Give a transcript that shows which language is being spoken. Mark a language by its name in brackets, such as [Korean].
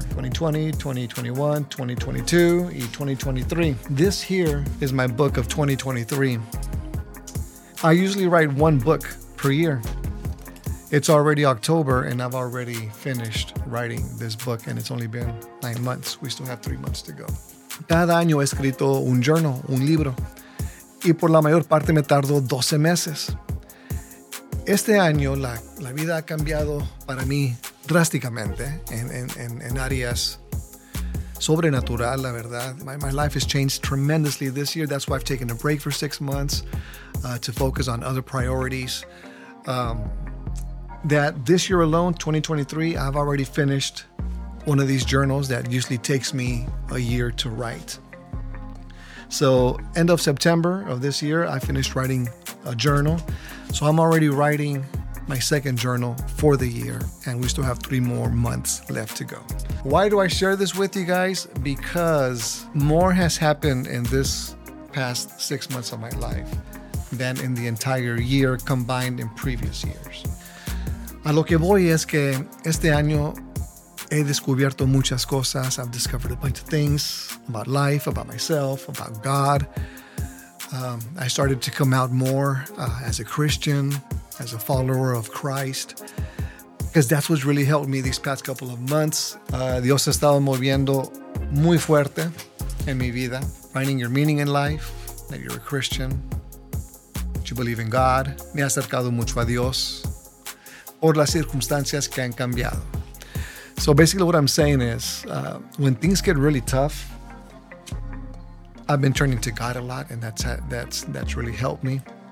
[English] 2020, 2021, 2022, 2023. This here is my book of 2023. I usually write 1 book per year. It's already October and I've already finished writing this book and it's only been 9 months. We still have 3 months to go. [Spanish] Cada año he escrito un journal, un libro. Y por la mayor parte me tardo 12 meses. Este año la vida ha cambiado para mí drásticamente en áreas sobrenatural, la verdad. [English] My life has changed tremendously this year. That's why I've taken a break for 6 months to focus on other priorities. That this year alone, 2023, I've already finished one of these journals that usually takes me a year to write. So end of September of this year, I finished writing a journal. So I'm already writing my 2nd journal for the year and we still have 3 more months left to go. Why do I share this with you guys? Because more has happened in this past 6 months of my life than in the entire year combined in previous years. [Spanish] A lo que voy es que este año he descubierto muchas cosas. [English] I've discovered a bunch of things about life, about myself, about God. I started to come out more as a Christian, as a follower of Christ, because that's what's really helped me these past couple of months. [Spanish] Dios ha estado moviendo muy fuerte en mi vida. [English] Finding your meaning in life, that you're a Christian, that you believe in God. [Spanish] Me ha acercado mucho a Dios. Or las circunstancias que han cambiado. [English] So basically what I'm saying is, when things get really tough, I've been turning to God a lot, and that's really helped me.